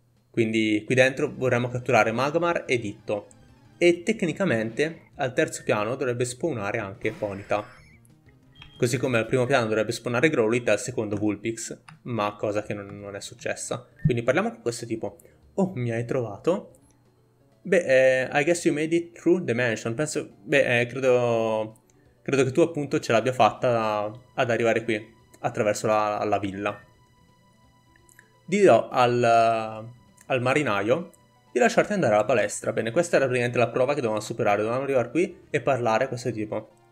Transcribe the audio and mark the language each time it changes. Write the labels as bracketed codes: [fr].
[it] Quindi qui dentro vorremmo catturare Magmar e Ditto. E tecnicamente al terzo piano dovrebbe spawnare anche Ponyta. Così come al primo piano dovrebbe spawnare Growlithe, al secondo Vulpix. Ma cosa che non è successa. Quindi parliamo con questo tipo. Oh, mi hai trovato? [en] Beh, I guess you made it through the mansion. [it] Penso, credo che tu appunto ce l'abbia fatta ad arrivare qui, attraverso la villa. Dirò al marinaio di lasciarti andare alla palestra. Bene, questa era praticamente la prova che dovevamo superare. Dovevamo arrivare qui e parlare a questo tipo.